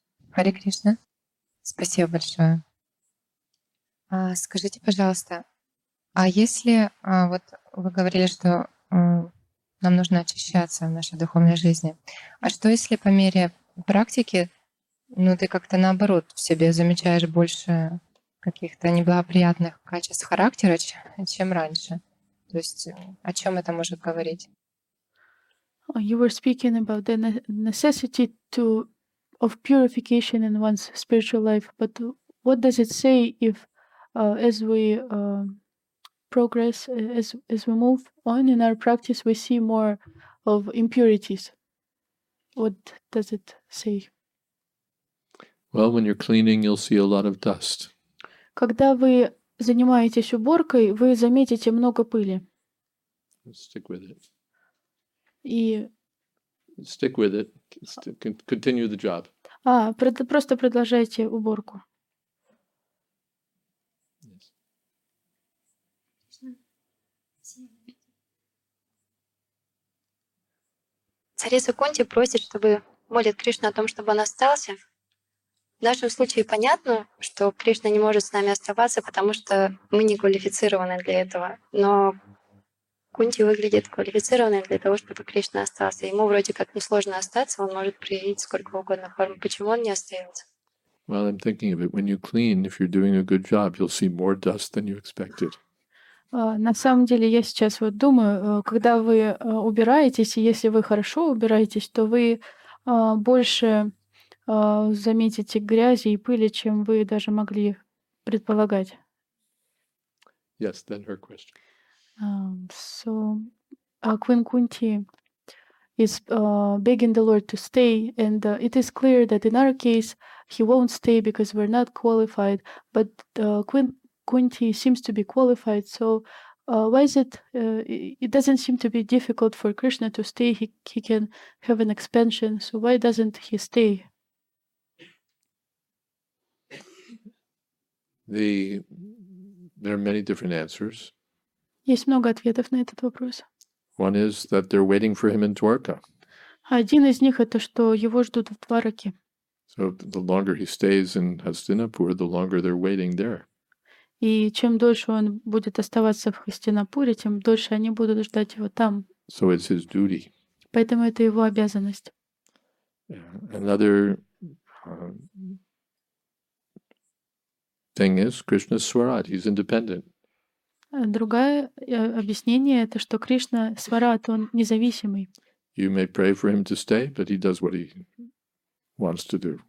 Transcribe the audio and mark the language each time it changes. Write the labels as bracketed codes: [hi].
[ru] Харе Кришна, спасибо большое. Скажите, пожалуйста, а если, вот вы говорили, что нам нужно очищаться в нашей духовной жизни, а что если по мере практики, ну ты как-то наоборот в себе замечаешь больше каких-то неблагоприятных качеств характера, чем раньше? То есть о чем это может говорить? [en] You were speaking about the necessity to of purification in one's spiritual life, but what does it say if as we progress, as we move on in our practice, we see more of impurities? What does it say? Well, when you're cleaning, you'll see a lot of dust. [ru] Когда вы занимаетесь уборкой, вы заметите много пыли. [en] Stick with it. [ru] И... [en] Stick with it. Continue the job. [ru] А, просто продолжайте уборку. [en] Yes. [ru] Царица Кунти просит, чтобы молит Кришну о том, чтобы он остался. В нашем случае понятно, что Кришна не может с нами оставаться, потому что мы не квалифицированы для этого. Но Кунти выглядит квалифицированной для того, чтобы Кришна остался. Ему вроде как несложно остаться, он может проявить сколько угодно форм. Почему он не остается? [en] Well, I'm thinking of it. When you clean, if you're doing a good job, you'll see more dust than you expected. [ru] На самом деле, я сейчас вот думаю, когда вы убираетесь, и если вы хорошо убираетесь, то вы больше заметите грязи и пыли, чем вы даже могли предполагать. [en] Yes, then her question. Queen Kunti is begging the Lord to stay, and it is clear that in our case, he won't stay because we're not qualified, but Queen Kunti seems to be qualified, so why is it, it doesn't seem to be difficult for Krishna to stay, he can have an expansion, so why doesn't he stay? There are many different answers. [ru] Есть много ответов на этот вопрос. [en] One is that they're waiting for him in Dwarka. [ru] Один из них это, что его ждут в Двараке. [en] So the longer he stays in Hastinapur, the longer they're waiting there. [ru] И чем дольше он будет оставаться в Хастинапуре, тем дольше они будут ждать его там. [en] So it's his duty. [ru] Поэтому это его обязанность. [en] Another thing is Krishna's Swarat. He's independent. [ru] Другое объяснение это, что Кришна Сварат, он независимый. [en] You may pray for him to stay, but he does what he wants to do.